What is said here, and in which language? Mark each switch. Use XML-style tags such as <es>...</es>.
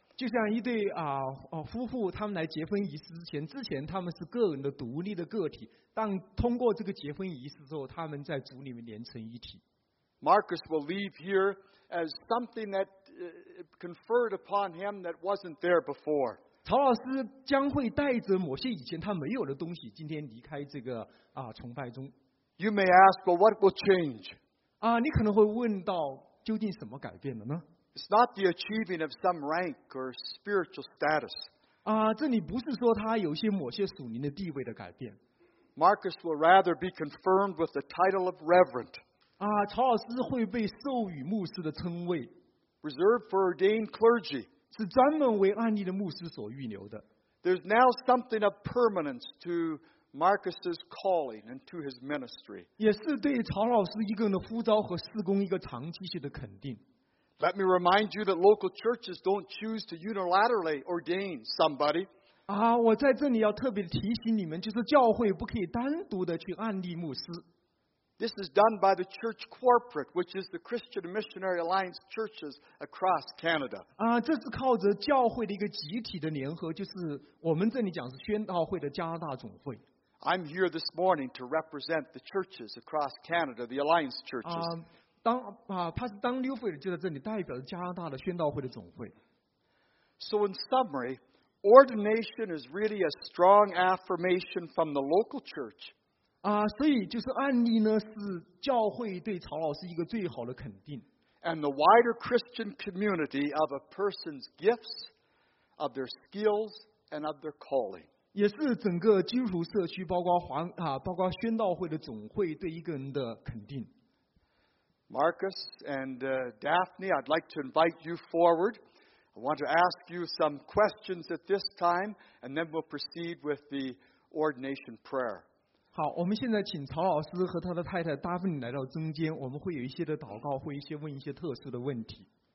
<zh>就像一对夫妇，他们来结婚仪式之前他们是个人的独立的个体，但通过这个结婚仪式之后，他们在主里面连成一体。</zh> <en>Marcus will leave here as something that conferred upon him that wasn't there before.</en> <zh>曹老师将会带着某些以前他没有的东西，今天离开这个崇拜中。</zh> <en>You may ask, well, what will change?</en> <zh>你可能会问到，究竟什么改变了呢？</zh> <en>It's not the achieving of some rank or spiritual status.</en> <zh>这里不是说他有些某些属灵的地位的改变。</zh> <en>Marcus will rather be confirmed with the title of reverend.</en> <zh>曹老师会被授予牧师的称谓</zh> <en>，reserved for ordained clergy，</en> <zh>是专门为案例的牧师所预留的。</zh> <en>There's now something of permanence to Marcus's calling and to his ministry，</en> <zh>也是对曹老师一个人的呼召和事工一个长期性的肯定。</zh> <en>Let me remind you that local churches don't choose to unilaterally ordain somebody。</en> <zh>我在这里要特别提醒你们，就是教会不可以单独的去案例牧师。</zh> <en>This is done by the church corporate, which is the Christian Missionary Alliance churches across Canada.</en> <zh>这是靠着教会的一个集体的联合，就是我们这里讲是宣道会的加拿大总会。</zh> <en>I'm here this morning to represent the churches across Canada, the Alliance churches.</en> <zh>当 Newfield 就在这里代表加拿大的宣道会的总会。</zh> <en>So in summary, ordination is really a strong affirmation from the local church.</en> <zh>所以就是案例呢，是教会对曹老师一个最好的肯定。</zh> <en>And the wider Christian community of a person's gifts, of their skills, and of their calling.</en> <zh>也是整个基督徒社区，包括宣道会的总会对一个人的肯定。</zh> <en>Marcus and Daphne, I'd like to invite you forward. I want to ask you some questions at this time, and then we'll proceed with the ordination prayer.</en> <zh>好，我们现在请曹老师和他的太太达芬来到中间，我们会有一些的祷告，会一些问一些特殊的问题。</zh>